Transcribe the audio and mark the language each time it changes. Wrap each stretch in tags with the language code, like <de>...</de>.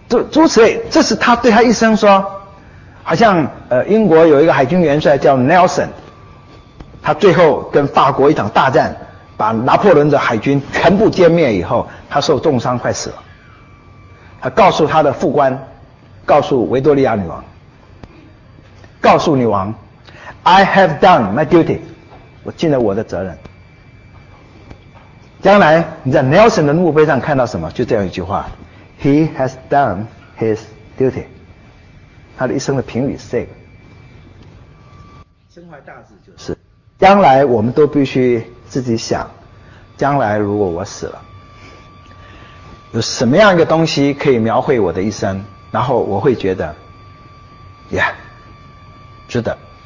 <zh>诸此类，这是他对他一生说，好像英国有一个海军元帅叫 Nelson， 他最后跟法国一场大战把拿破仑的海军全部歼灭以后，他受重伤快死了，他告诉他的副官，告诉维多利亚女王，告诉女王</zh> <en>I have done my duty，</en> <zh>我尽了我的责任。将来你在 Nelson 的墓碑上看到什么？就这样一句话 ：</zh> <en>He has done his duty。</en> <zh>他的一生的评语是这个。身怀大志就是。将来我们都必须自己想，将来如果我死了，有什么样一个东西可以描绘我的一生，然后我会觉得 ，Yeah， 值得。</zh>